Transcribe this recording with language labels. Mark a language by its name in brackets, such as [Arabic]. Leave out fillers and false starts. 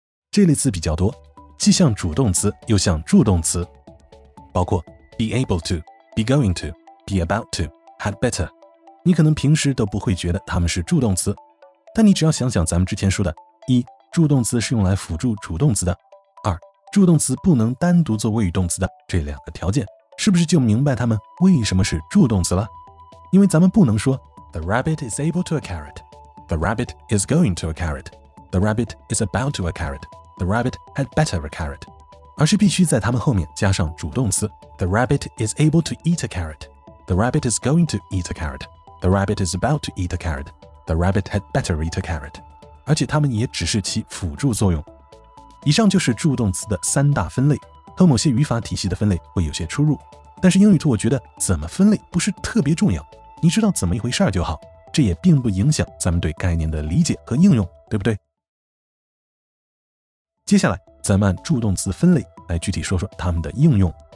[Chinese] 这类词比较多，既像主动词又像助动词，包括 be able to, be going to, be about to, had better。你可能平时都不会觉得它们是助动词，但你只要想想咱们之前说的，一，助动词是用来辅助主动词的，二，助动词不能单独做谓语动词的，这两个条件是不是就明白它们为什么是助动词了？因为咱们不能说 [English] The rabbit is able to a carrot, The rabbit is going to a carrot, [Chinese] The rabbit is about to a carrot, The rabbit had better a carrot, 而是必须在它们后面加上主动词 The rabbit is able to eat a carrot, The rabbit is going to eat a carrot, The rabbit is about to eat a carrot, The rabbit had better eat a carrot, 而且它们也只是起辅助作用。以上就是助动词的三大分类，和某些语法体系的分类会有些出入，但是英语图我觉得怎么分类不是特别重要，你知道怎么一回事就好，这也并不影响咱们对概念的理解和应用，对不对？接下来咱们按助动词分类来具体说说它们的应用。